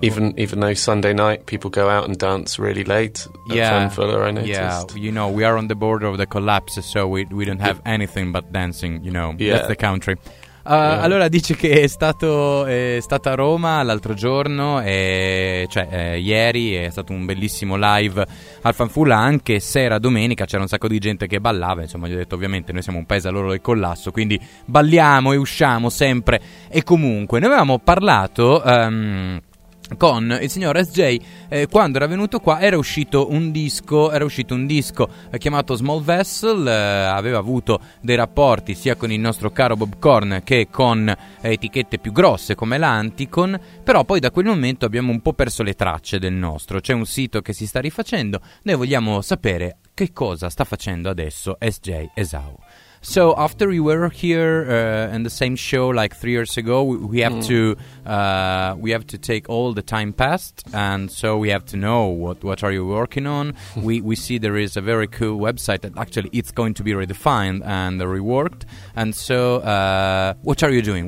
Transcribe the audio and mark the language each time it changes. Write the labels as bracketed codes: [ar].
[en] Even though Sunday night people go out and dance really late at Fan Fuller, I noticed. Yeah, you know, we are on the border of the collapse, so we don't have anything but dancing, you know. Yeah. That's the country. [it] Allora dice che è stata a Roma l'altro giorno, ieri è stato un bellissimo live al Fanfulla, anche se era domenica, c'era un sacco di gente che ballava, insomma gli ho detto ovviamente noi siamo un paese all'orlo del collasso, quindi balliamo e usciamo sempre e comunque. Noi avevamo parlato con il signor SJ, quando era venuto qua era uscito un disco chiamato Small Vessel, aveva avuto dei rapporti sia con il nostro caro Bob Korn che con etichette più grosse come la Anticon, però poi da quel momento abbiamo un po' perso le tracce del nostro. C'è un sito che si sta rifacendo, noi vogliamo sapere che cosa sta facendo adesso SJ Esau. [en] So after we were here in the same show like 3 years ago, we have to take all the time past, and so we have to know what are you working on. we see there is a very cool website that actually it's going to be redefined and reworked, and so what are you doing?